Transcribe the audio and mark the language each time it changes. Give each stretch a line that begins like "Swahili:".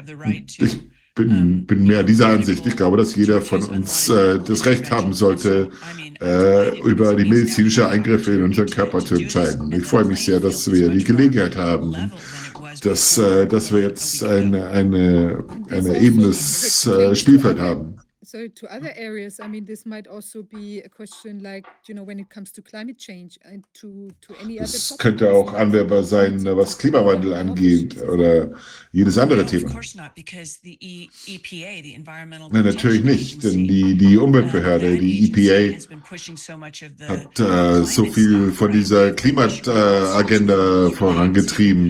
English: Ich bin mehr dieser Ansicht. Ich glaube, dass jeder von uns das Recht haben sollte, über die medizinischen Eingriffe in unseren Körper zu entscheiden. Ich freue mich sehr, dass wir die Gelegenheit haben, dass wir jetzt ein ebenes Spielfeld haben. So to other areas, I mean, this might also be a question, like, you know, when it comes to climate change and to any other.
German: Das könnte auch anwerbar sein, was Klimawandel angeht oder jedes andere Thema. Nein, natürlich nicht, denn die Umweltbehörde, die EPA, hat so viel von dieser Klimaagenda vorangetrieben.